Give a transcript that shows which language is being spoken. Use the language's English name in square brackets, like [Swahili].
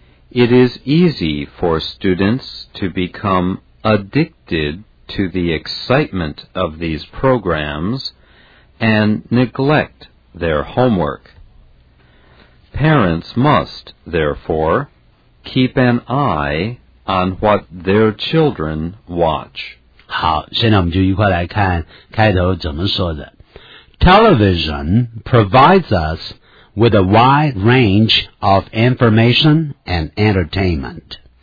[English] It is easy for students to become addicted to the excitement of these programs and neglect their homework. Parents must, therefore, keep an eye on what their children watch. [Chinese] 好，现在我们就一块来看开头怎么说的。 [English] Television provides us with a wide range of information and entertainment.